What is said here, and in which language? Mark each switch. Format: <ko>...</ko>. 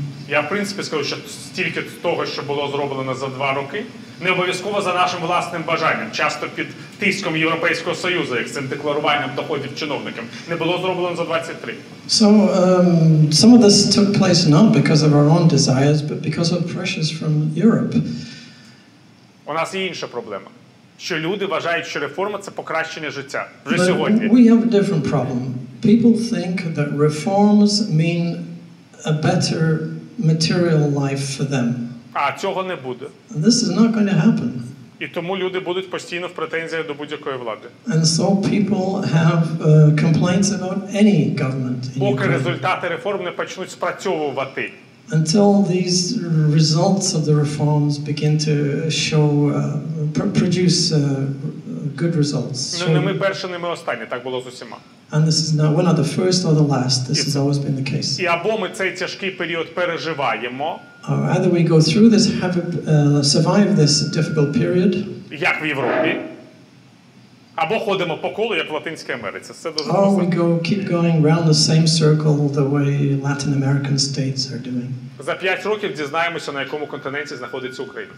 <uk>Я, в принципі, скажу, що стільки того, що було зроблено за 2 роки, не обов'язково за нашим власним бажанням, часто під тиском Європейського Союзу, як цим декларуванням доходів чиновникам, не було зроблено за 23.</uk> <en>So, some of this took place not because of our own desires, but because of pressures from Europe.</en> <uk>У нас є інша проблема, що люди вважають, що реформа – це покращення життя вже сьогодні.</uk> <en>We have a different problem. People think that reforms mean a better material life for them.</en> <uk>А цього не буде.</uk> <en>And this is not going to happen.</en> <uk>І тому люди будуть постійно в претензіях до будь-якої влади.</uk> <en>And so people have complaints about any government in Ukraine.</en> <uk>Поки результати реформ не почнуть спрацьовувати.</uk> <en>Until these results of the reforms begin to show produce good results.</en> <uk>Ну, не ми перші, не ми останні, так було з усіма.</uk> <en>And this is not, we're not the first or the last. This has always been the case.</en> <uk>І або ми цей тяжкий період переживаємо.</uk> <en>Or either we go through this, survive this difficult period.</en> <uk>Як в Європі. Або ходимо по колу, як в Латинській Америці. Це дуже важливо.</uk> <en>Or we go, keep going round the same circle the way Latin American states are doing.</en> <uk>За 5 років дізнаємося, на якому континенті знаходиться Україна.</uk>